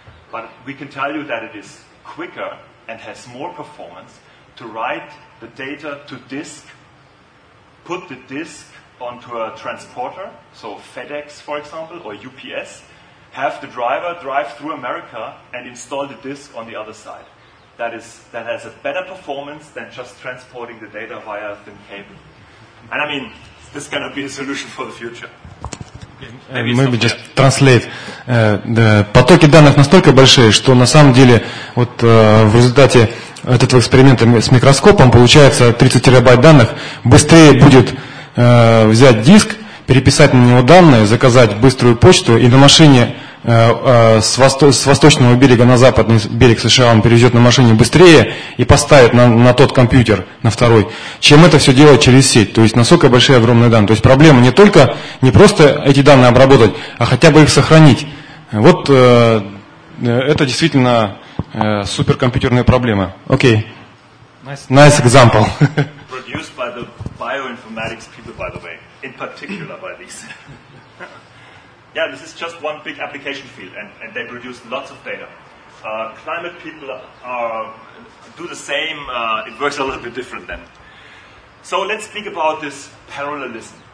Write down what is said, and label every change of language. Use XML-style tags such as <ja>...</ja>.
<en>But we can tell you that it is quicker and has more performance to write the data to disk, put the disk onto a transporter, so FedEx, for example, or UPS, have the driver drive through America and install the disk on the other side. That has a better performance than just transporting the data via a thin cable. And I mean, this cannot be a solution for the future. Maybe just translate.</en> <ru>Потоки данных настолько большие, что на самом деле вот в результате этого эксперимента с микроскопом получается 30 терабайт данных. Быстрее будет взять диск, переписать на него данные, заказать быструю почту, и на машине с восточного берега на западный берег США он перевезет на машине быстрее и поставит на тот компьютер, на второй, чем это все делать через сеть. То есть насколько большие огромные данные. То есть проблема не только не просто эти данные обработать, а хотя бы их сохранить. Вот это действительно суперкомпьютерные проблемы.</ru> <en>Окей. Nice example. Produced by the bioinformatics people, by the way, in particular by these. Yeah, this is just one big application field, and they produce lots of data. Climate people do the same. It works a little bit different then. So let's speak about this parallelism.</en>